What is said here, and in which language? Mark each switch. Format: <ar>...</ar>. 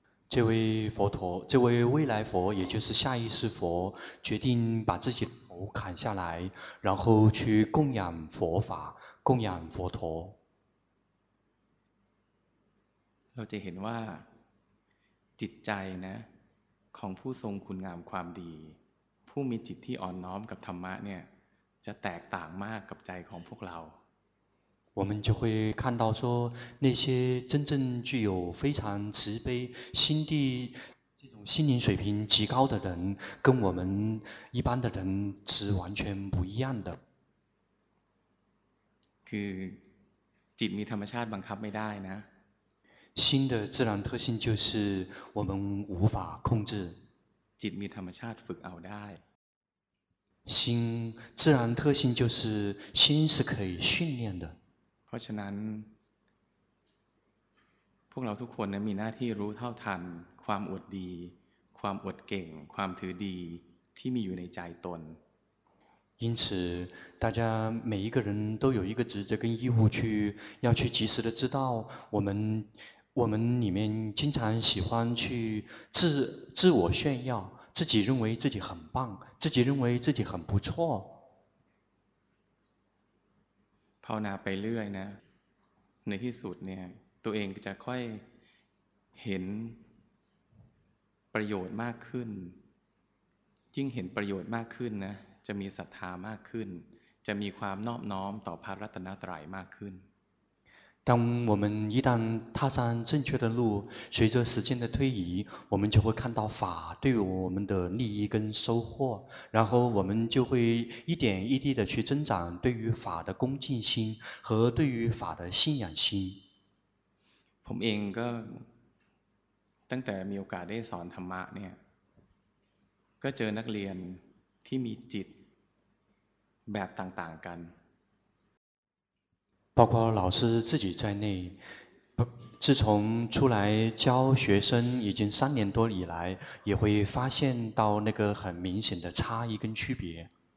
<zh>这位佛陀这位未来佛也就是下一世佛决定把自己的头砍下来然后去供养佛法供养佛陀</zh> <th>เราจะเห็นว่าจิตใจนะของผู้ทรงคุณงามความดีผู้มีจิตที่อ่อนน้อมกับธรรมะเนี่ยจะแตกต่างมากกับใจของพวกเรา</th> <zh>我们就会看到说那些真正具有非常慈悲心地这种心灵水平极高的人跟我们一般的人是完全不一样的</zh> <th>คือจิตมีธรรมชาติบังคับไม่ได้นะ</th> <zh>心的自然特性就是我们无法控制</zh> <th>จิตมีธรรมชาติฝึกเอาได้</th> <zh>心自然特性就是心是可以训练的</zh> <th>เพราะฉะนั้นพวกเราทุกคนมีหน้าที่รู้เท่าทันความอวดดีความอวดเก่งความถือดีที่มีอยู่ในใจตน</th> <zh>因此大家每一个人都有一个职责跟义务去要去及时的知道我们里面经常喜欢去 自我炫耀自己认为自己很棒自己认为自己很不错</zh> <th>ภาวนาไปเรื่อยนะในที่สุดเนี่ยตัวเองจะค่อยเห็นประโยชน์มากขึ้นยิ่งเห็นประโยชน์มากขึ้นนะจะมีศรัทธามากขึ้นจะมีความนอบน้อมต่อพระรัตนตรัยมากขึ้น</th> <zh>当我们一旦踏上正确的路随着时间的推移我们就会看到法对于我们的利益跟收获然后我们就会一点一滴的去增长对于法的恭敬心和对于法的信仰心</zh> <th>ผมเองก็ตั้งแต่มีโอกาสได้สอนธรรมะเนี่ยก็เจอนักเรียนที่มีจิตแบบต่างๆกัน</th> <zh>包括老师自己在内自从出来教学生已经三年多以来也会发现到那个很明显的差异跟区别</zh>